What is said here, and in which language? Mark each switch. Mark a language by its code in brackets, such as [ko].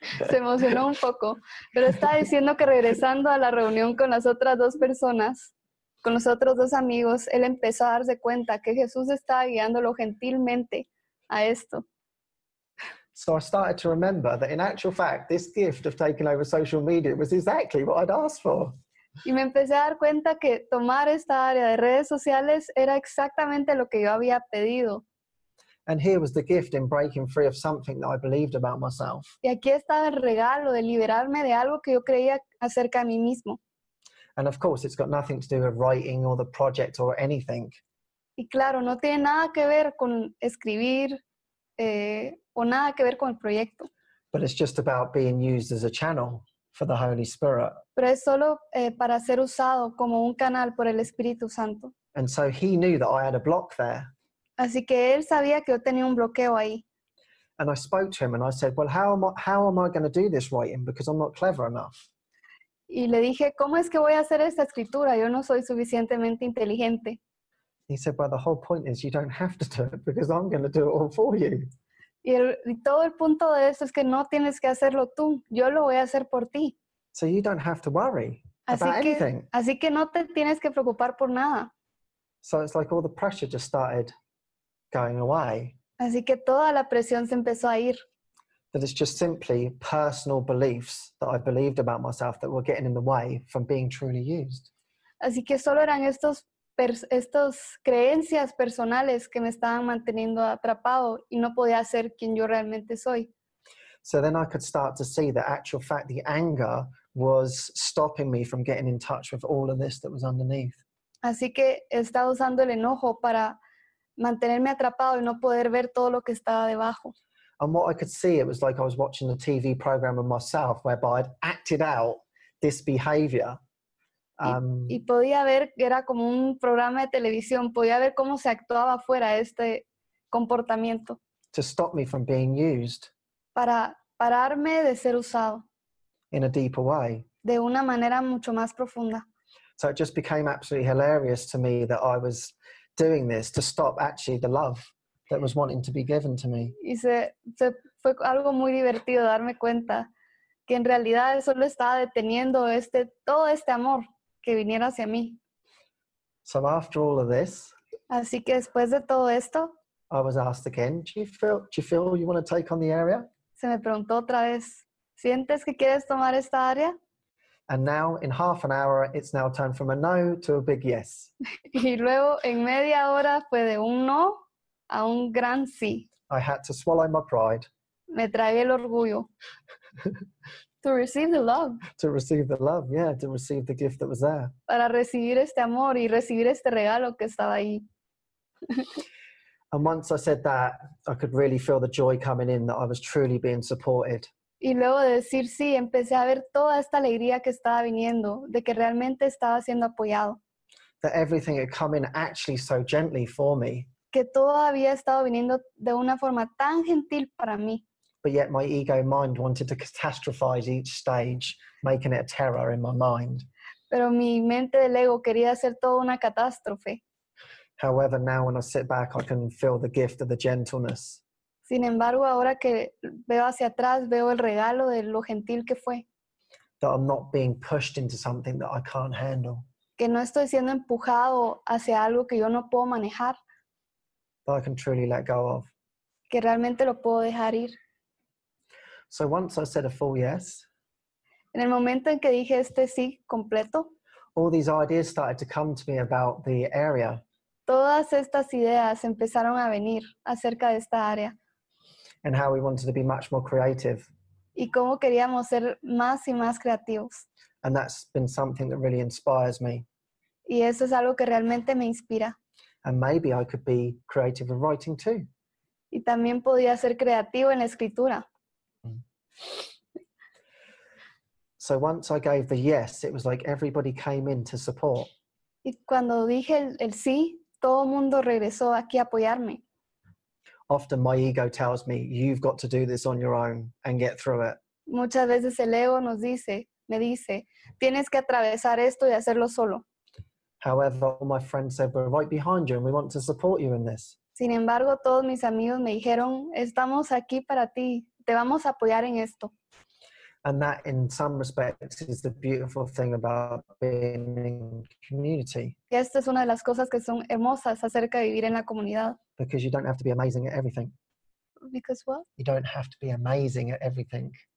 [es] Se emocionó un poco, pero está diciendo que regresando a la reunión con las otras dos personas, con los otros dos amigos, él empezó a darse cuenta que Jesús estaba guiándolo gentilmente a esto. [en] So I started to remember that in actual fact, this gift of taking over social media was exactly what I'd asked for. [es] Y me empecé a dar cuenta que tomar esta área de redes sociales era exactamente lo que yo había pedido. [en] And here was the gift in breaking free of something that I believed about myself. [es] Y aquí estaba el regalo de liberarme de algo que yo creía acerca de mí mismo. [en] And of course, it's got nothing to do with writing or the project or anything. [es] Y claro, no tiene nada que ver con escribir o nada que ver con el proyecto. [en] But it's just about being used as a channel for the Holy Spirit. [es] Pero es solo para ser usado como un canal por el Espíritu Santo. [en] And so he knew that I had a block there. [es] Así que él sabía que yo tenía un bloqueo ahí. [en] And I spoke to him and I said, well, how am I going to do this writing because I'm not clever enough. [es] Y le dije, ¿cómo es que voy a hacer esta escritura? Yo no soy suficientemente inteligente. [en] He said, well, the whole point is you don't have to do it because I'm going to do it all for you. [es] Y todo el punto de esto es que no tienes que hacerlo tú. Yo lo voy a hacer por ti. [en] So you don't have to worry about anything. [es] Así que no te tienes que preocupar por nada. [en] So it's like all the pressure just started going away. [es] Así que toda la presión se empezó a ir. [en] That it's just simply personal beliefs that I believed about myself that were getting in the way from being truly used. [es] Así que solo eran estos creencias personales que me estaban manteniendo atrapado y no podía ser quien yo realmente soy. [en] So then I could start to see that actual fact, the anger was stopping me from getting in touch with all of this that was underneath. [es] Así que estaba usando el enojo para mantenerme atrapado y no poder ver todo lo que estaba debajo. [en] And what I could see, it was like I was watching a TV program of myself whereby I'd acted out this behavior. [es] Y podía ver, era como un programa de televisión, podía ver cómo se actuaba fuera este comportamiento. [en] To stop me from being used. [es] Para pararme de ser usado. [en] In a deeper way. [es] De una manera mucho más profunda. [en] So it just became absolutely hilarious to me that I was doing this to stop actually the love that was wanting to be given to me. [es] Y se fue algo muy divertido darme cuenta que en realidad solo estaba deteniendo todo este amor que viniera hacia mí. [en] So after all of this, [es] así que después de todo esto, [en] I was asked again, do you feel you want to take on the area? [es] Se me preguntó otra vez, ¿Sientes que quieres tomar esta área? [en] And now, in half an hour, it's now turned from a no to a big yes. [es] Y luego, en media hora, fue de un no a un gran sí. [en] I had to swallow my pride. [es] Me tragué el orgullo. [en] To receive the love. To receive the love, yeah, to receive the gift that was there. [es] Para recibir este amor y recibir este regalo que estaba ahí. [en] And once I said that, I could really feel the joy coming in, that I was truly being supported. [es] Y luego de decir sí, empecé a ver toda esta alegría que estaba viniendo, de que realmente estaba siendo apoyado. [en] That everything had come in actually so gently for me. [es] Que todo había estado viniendo de una forma tan gentil para mí. [en] But yet my ego mind wanted to catastrophize each stage, making it a terror in my mind. [es] Pero mi mente del ego quería hacer toda una catástrofe. [en] However, now when I sit back, I can feel the gift of the gentleness. [es] Sin embargo, ahora que veo hacia atrás, veo el regalo de lo gentil que fue. [en] That I'm not being pushed into something that I can't handle. [es] Que no estoy siendo empujado hacia algo que yo no puedo manejar. [en] That I can truly let go of. [es] Que realmente lo puedo dejar ir. [en] So once I said a full yes. [es] En el momento en que dije este sí completo. [en] All these ideas started to come to me about the area. [es] Todas estas ideas empezaron a venir acerca de esta área. [en] And how we wanted to be much more creative. [es] Y cómo queríamos ser más y más creativos. [en] And that's been something that really inspires me. [es] Y eso es algo que realmente me inspira. [en] And maybe I could be creative in writing too. [es] Y también podía ser creativo en la escritura. [en] So once I gave the yes, it was like everybody came in to support. [es] Y cuando dije el sí, todo mundo regresó aquí a apoyarme. [en] Often my ego tells me, you've got to do this on your own and get through it. [es] Muchas veces el ego nos dice, me dice, tienes que atravesar esto y hacerlo solo. [en] However, all my friends said, we're right behind you and we want to support you in this. [es] Sin embargo, todos mis amigos me dijeron, estamos aquí para ti, te vamos a apoyar en esto. [en] And that, in some respects, is the beautiful thing about being in community. [es] Y esta es una de las cosas que son hermosas acerca de vivir en la comunidad. [en] Because you don't have to be amazing at everything. Because what? You don't have to be amazing at everything.